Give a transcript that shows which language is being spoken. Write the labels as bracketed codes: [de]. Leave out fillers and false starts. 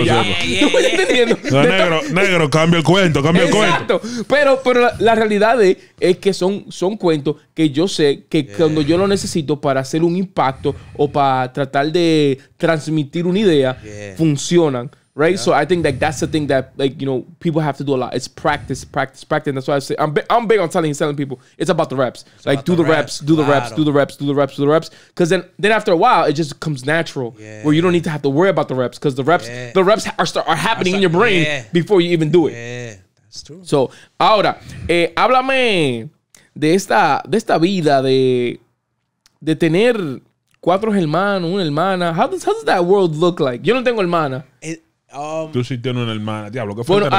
[en] Yeah. [es] ¿Tú me estás entendiendo? Negro, cambia el cuento. Pero la realidad es que son cuentos que yo sé que cuando yo lo necesito para hacer un impacto o para tratar de transmitir una idea, funcionan. [en] Right, so I think that like, that's the thing that like you know people have to do a lot. It's practice. That's why I say I'm big on telling people it's about the reps. It's like do the reps. Because then after a while it just comes natural. Yeah. Where you don't need to have to worry about the reps because the reps are happening in your brain before you even do it. Yeah, that's true. [es] So ahora, háblame de esta vida de tener cuatro hermanos, una hermana. [en] How does that world look like? Yo no tengo hermana. [es] Tú sí tienes una hermana, diablo, qué fuerte.